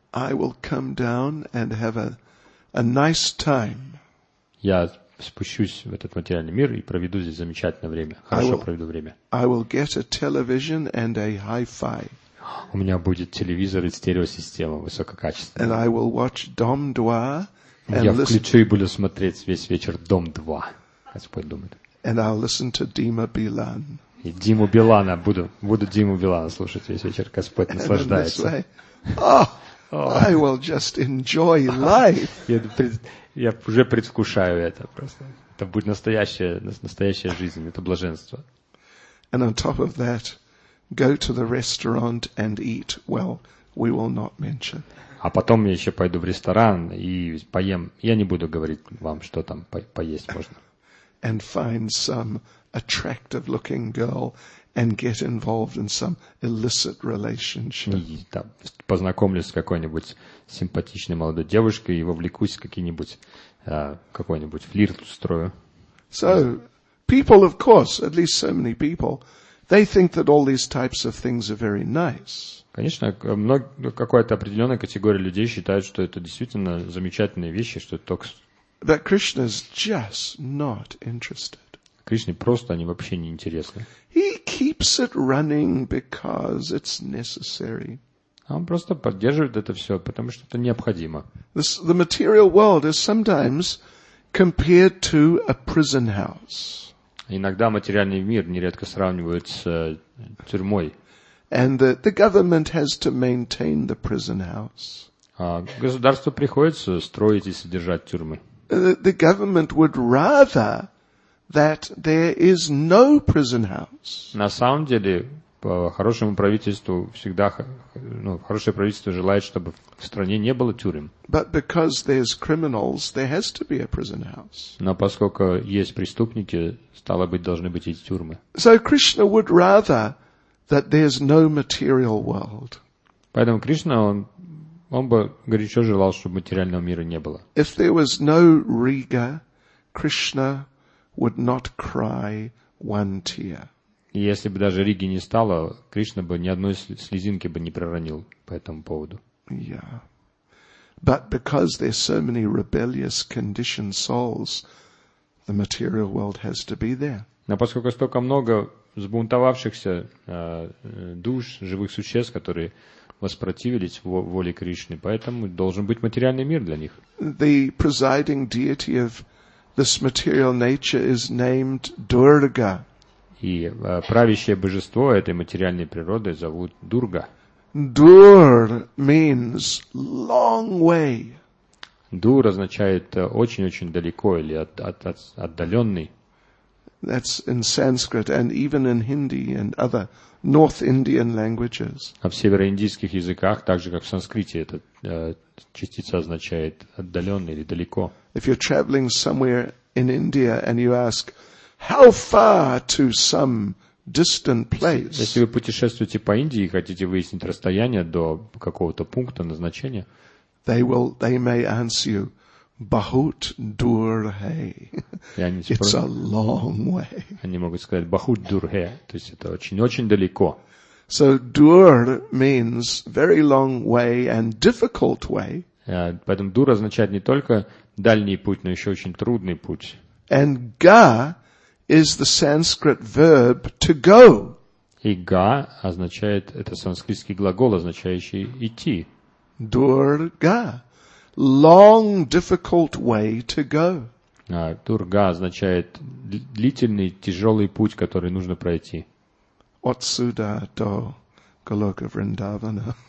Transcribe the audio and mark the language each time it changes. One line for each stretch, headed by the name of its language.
English: I will come down and have a nice time.
Russian: Я спущусь в этот материальный мир и проведу здесь замечательное время. Хорошо проведу время.
English: I will get a television and a hi-fi.
Russian: У меня будет телевизор и стереосистема высококачественная.
English: And I will watch Dom 2.
Russian: Я включу и буду смотреть весь вечер «Дом 2», Господь думает.
English: And I'll listen to Dima Bilan.
Russian: И Диму Билана буду Диму Билана слушать весь вечер, Господь наслаждается.
English: And in this way, oh, I will just enjoy life.
Russian: Я уже предвкушаю это просто. Это будет настоящая жизнь, это блаженство.
English: And on top of that, go to the restaurant and eat. Well, we will not mention.
Russian: А потом я еще пойду в ресторан и поем. Я не буду говорить вам, что там поесть можно.
English: And find some attractive looking girl and get involved in some illicit relationship.
Russian: И да, познакомлюсь с какой-нибудь симпатичной молодой девушкой и вовлекусь в какой-нибудь флирт устрою.
English: So, people, of course, at least so many people, they think that all these types of things are very nice.
Russian: Конечно, какая-то определенная категория людей считает, что это действительно замечательные вещи, что это
English: But Krishna's just not interested.
Russian: Кришне просто они вообще не интересны.
English: He keeps it running because it's necessary.
Russian: А он просто поддерживает это все, потому что это необходимо.
English: The material world is sometimes compared to a prison house.
Russian: Иногда материальный мир нередко сравнивают с тюрьмой.
English: And the government has to maintain the prison house.
Russian: Государству приходится строить и содержать тюрьмы.
English: The government would rather that there is no prison house.
Russian: На самом деле, хорошему правительству всегда, ну, хорошее правительство желает, чтобы в стране не было тюрем.
English: But because there's criminals, there has to be a prison house.
Russian: Но поскольку есть преступники, стало быть, должны быть и тюрьмы.
English: So Krishna would rather that there's no material world.
Russian: Поэтому Кришна, он бы горячо желал, чтобы материального мира не было.
English: If there was no Riga, Krishna would not cry one tear.
Russian: И если бы даже Риги не стало, Кришна бы ни одной слезинки бы не проронил по этому поводу.
English: Yeah. But because there's so many rebellious conditioned souls, the material world has to be there.
Russian: Но поскольку столько много взбунтовавшихся душ, живых существ, которые воспротивились воле Кришны, поэтому должен быть материальный мир для них.
English: The presiding deity of this material nature is named Durga.
Russian: И правящее божество этой материальной природы зовут Дурга.
English: Dur means long way.
Russian: Дур означает очень-очень далеко или отдаленный.
English: That's in Sanskrit and even in Hindi and other North Indian languages.
Russian: А в североиндийских языках, так же как в санскрите, эта частица означает отдаленный или далеко.
English: If you're traveling somewhere in India and you ask, how far to some distant place?
Russian: Если вы путешествуете по Индии и хотите выяснить расстояние до какого-то пункта назначения,
English: they may answer you.
Hindi: Bahut dur hai.
English: It's a long way.
Russian: Они могут сказать
Hindi: Bahut dur hai,
Russian: то есть это очень-очень далеко.
English: So dur means very long way and difficult way.
Russian: Поэтому dur означает не только дальний путь, но еще очень трудный путь.
English: And ga is the Sanskrit verb to go.
Russian: И ga означает, это санскритский глагол, означающий идти.
English: Dur ga. Long, difficult way to go.
Russian: Дурга означает длительный, тяжелый путь, который нужно пройти. Отсюда до Голока Вриндавана.